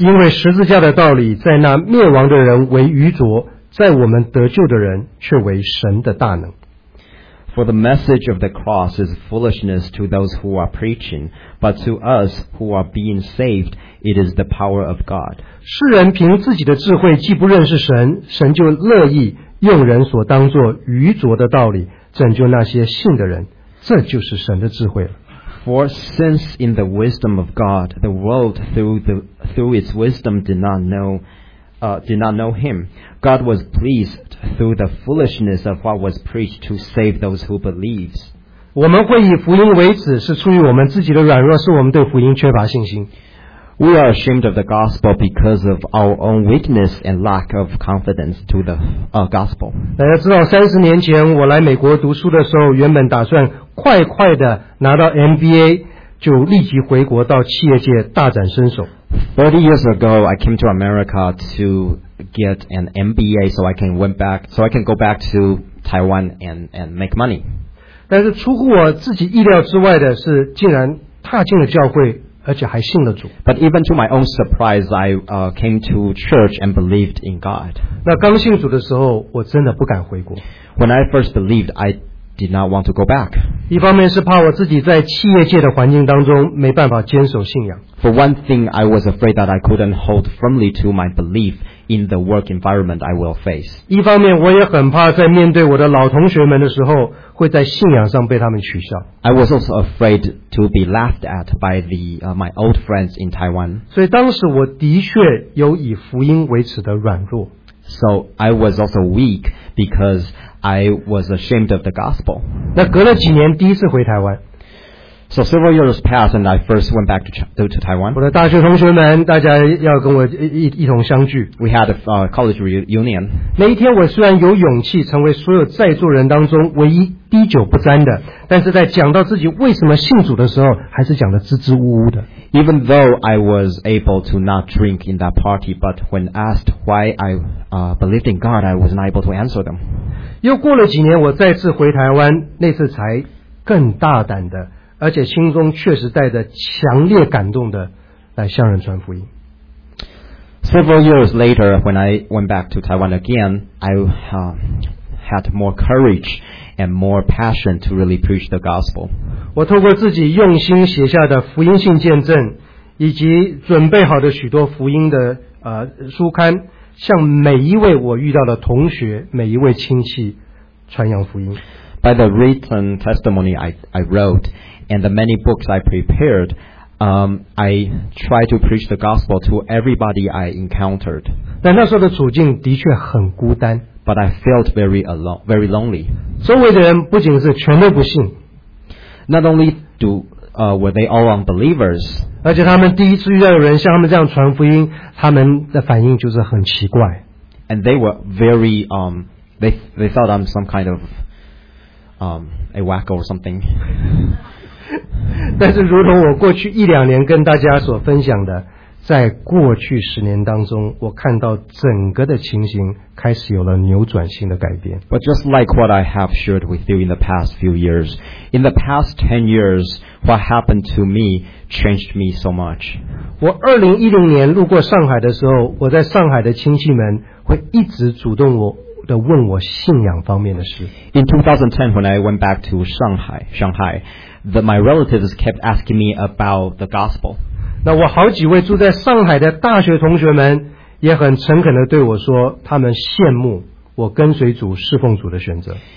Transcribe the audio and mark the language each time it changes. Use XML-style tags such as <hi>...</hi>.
<zh>因为十字架的道理，在那灭亡的人为愚拙，在我们得救的人却为神的大能。</zh> <en>For the message of the cross is foolishness to those who are preaching, but to us who are being saved, it is the power of God.</en> <zh>世人凭自己的智慧既不认识神，神就乐意用人所当作愚拙的道理拯救那些信的人，这就是神的智慧了。</zh> <en>For since in the wisdom of God, the world through its wisdom did not know him, God was pleased through the foolishness of what was preached to save those who believe.</en> <zh>我们会以福音为耻，是出于我们自己的软弱，是我们对福音缺乏信心。</zh> <en>We are ashamed of the gospel because of our own weakness and lack of confidence to the gospel.</en> <zh>大家知道30年前我来美国读书的时候，原本打算快快的拿到 MBA 就立即回国到企业界大展身手。</zh> <en>30 years ago I came to America to get an MBA so I can go back to Taiwan and make money.</en> <zh>但是出乎我自己意料之外的是竟然踏进了教会而且还信了主。</zh> <en>But even to my own surprise, I came to church and believed in God.</en> <zh>那刚信主的时候，我真的不敢回国。</zh> <en>When I first believed, I did not want to go back.</en> <zh>一方面是怕我自己在企业界的环境当中没办法坚守信仰。</zh> <en>For one thing, I was afraid that I couldn't hold firmly to my belief in the work environment I will face.</en> <zh>一方面我也很怕在面对我的老同学们的时候会在信仰上被他们取笑。</zh> <en>I was also afraid to be laughed at by my old friends in Taiwan.</en> <zh>所以当时我的确有以福音为耻的软弱。</zh> <en>So I was also weak because I was ashamed of the gospel.</en> <zh>那隔了几年第一次回台湾。</zh> <en>So several years passed and I first went back to Taiwan.</en> <zh>我的大学同学们大家要跟我 一同相聚。</zh> <en>We had a college reunion.</en> <zh>那一天我虽然有勇气成为所有在座人当中唯一滴酒不沾的，但是在讲到自己为什么信主的时候还是讲得支支吾吾的。</zh> <en>Even though I was able to not drink in that party, but when asked why I believed in God, I was not able to answer them.</en> <zh>又过了几年我再次回台湾，那次才更大胆的而且心中确实带着强烈感动的来向人传福音。</zh> <en>Several years later, when I went back to Taiwan again, I had more courage and more passion to really preach the gospel.</en> <zh>我透过自己用心写下的福音信见证以及准备好的许多福音的书刊，向每一位我遇到的同学，每一位亲戚传扬福音。</zh> <en>By the written testimony I wrote,and the many books I prepared, I tried to preach the gospel to everybody I encountered.</en> <zh>但那时候的处境的确很孤单。</zh> <en>But I felt very alone, very lonely.</en> <zh>周围的人不仅是全都不信。</zh> <en>Not only were they all unbelievers,</en> <zh>而且他们第一次遇到有人像他们这样传福音，他们的反应就是很奇怪。</zh> <en>And they were very, they thought I'm some kind of a wacko or something.</en> <zh>但是如同我过去一两年跟大家所分享的，在过去十年当中我看到整个的情形开始有了扭转性的改变。</zh> <en>But just like what I have shared with you in the past few years, in the past 10 years, what happened to me changed me so much.</en> <zh>我2010年路过上海的时候，我在上海的亲戚们会一直主动我的问我信仰方面的事。</zh> <en>In 2010, when I went back to Shanghai, my relatives kept asking me about the gospel.</en> <zh>那我好几位住在上海的大学同学们也很诚恳地对我说，他们羡慕我跟随主侍奉主的选择。</zh>